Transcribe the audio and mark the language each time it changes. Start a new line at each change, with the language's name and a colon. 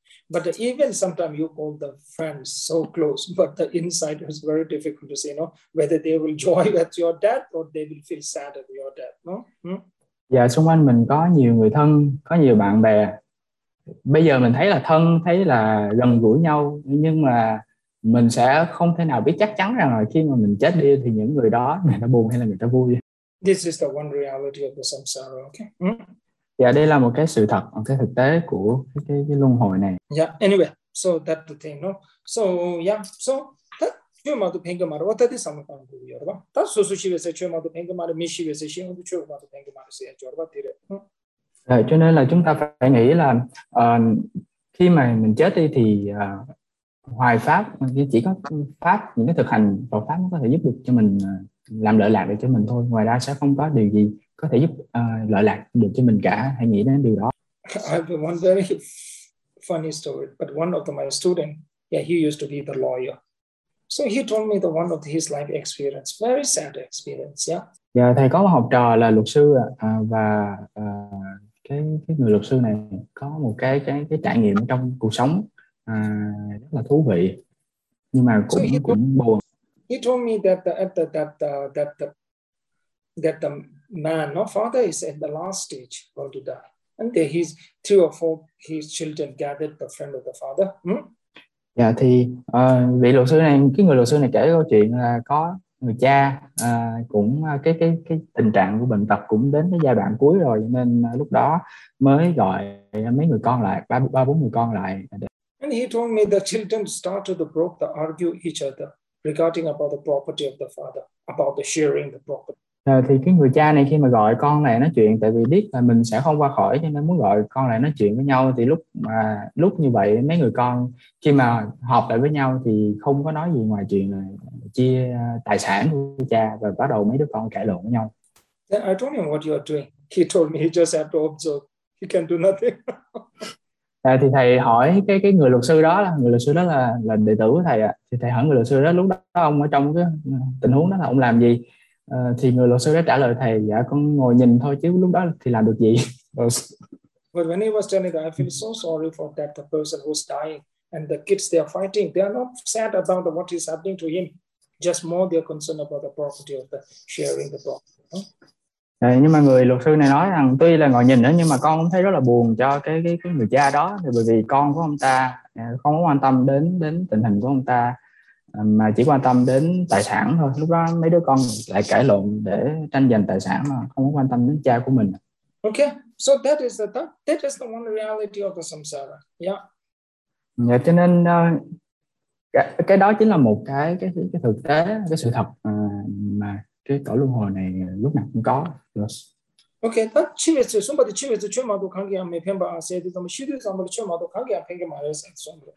English: But even sometimes you call the friends so close, but the inside is very difficult to say, no, whether they will joy at your death or they will feel sad at your death, no?
Vietnamese: Dạ, xung quanh mình có nhiều người thân, có nhiều bạn bè. Bây giờ mình thấy là thân, thấy là gần gũi nhau, nhưng mà mình sẽ không thể nào biết chắc chắn rằng là khi mà mình chết đi thì những người đó, người ta buồn hay là người ta vui.
English: This is the one reality of the samsara, okay? Mm?
Vietnamese: Dạ, đây là một cái sự thật, một cái thực tế của cái luân hồi này.
English: Yeah, anyway, so that the thing, no? So, yeah, so, that, chui ma tu penga maru, what is samatana guru, yorba? Ta su su shi vese, chui ma tu penga maru, mi shi vese, shi ngu chui ma tu penga maru, siya, yorba, tira.
Vietnamese: Cho nên là chúng ta phải nghĩ là khi mà mình chết đi thì hoài pháp, chỉ có pháp, những cái thực hành Phật pháp nó có thể giúp được cho mình, làm lợi lạc được cho mình thôi. Ngoài ra sẽ không có điều gì có thể giúp lợi lạc được cho mình cả. Hãy nghĩ đến điều đó.
English: I have one very funny story, but one of my students, yeah, he used to be the lawyer. So he told me the one of his life experience, very sad experience, yeah.
Vietnamese: Dạ, thầy có một học trò là luật sư và cái người luật sư này có một cái trải nghiệm trong cuộc sống rất là thú vị nhưng mà cũng buồn.
English: He told me that the man, no, father is at the last stage, going to die, and there his three or four his children gathered the friend of the father.
Vietnamese: Dạ, thì vị luật sư này, cái người luật sư này kể câu chuyện là có người cha cũng cái tình trạng của bệnh tật cũng đến cái giai đoạn cuối rồi, nên lúc đó mới gọi mấy người con lại, ba bốn người con lại.
English: And he told me the children started to broke the argue each other regarding about the property of the father, about the sharing the property.
Vietnamese: Thì cái người cha này khi mà gọi con này nói chuyện, tại vì biết là mình sẽ không qua khỏi cho nên muốn gọi con này nói chuyện với nhau, thì lúc như vậy mấy người con khi mà họp lại với nhau thì không có nói gì ngoài chuyện là chia tài sản của cha, và bắt đầu mấy đứa con cãi lộn với nhau.
English: Then I told him what you are doing. He told me he just have to observe. He can do nothing.
Vietnamese: Thì thầy hỏi cái người luật sư đó, là người luật sư đó là đệ tử của thầy ạ. Thì thầy hỏi người luật sư đó lúc đó ông ở trong cái tình huống đó là ông làm gì? Thì người luật sư đã trả lời thầy, dạ con ngồi nhìn thôi chứ lúc đó thì làm được gì.
English: But when he was telling that, I feel so sorry for that the person who's dying and the kids they are fighting, they are not sad about what is happening to him. just more they're concerned about the property of the sharing the property.
Vietnamese: Đấy, nhưng mà người luật sư này nói rằng tuy là ngồi nhìn đó nhưng mà con cũng thấy rất là buồn cho cái người cha đó, thì bởi vì con của ông ta không có quan tâm đến đến tình hình của ông ta mà chỉ quan tâm đến tài sản thôi. Lúc đó mấy đứa con lại cãi lộn để tranh giành tài sản mà không có quan tâm đến cha của mình.
English: Okay, so that is the one reality of the samsara. Yeah.
Vietnamese: Yeah, cho nên cái đó chính là một cái thực tế, cái sự thật mà cái cõi luân hồi này lúc nào cũng có.
English: Yes. Okay, that chimes to somebody chimes to chuma do kangya me pemba ase de tom shidu samba do chuma do kangya pemge ma res and so.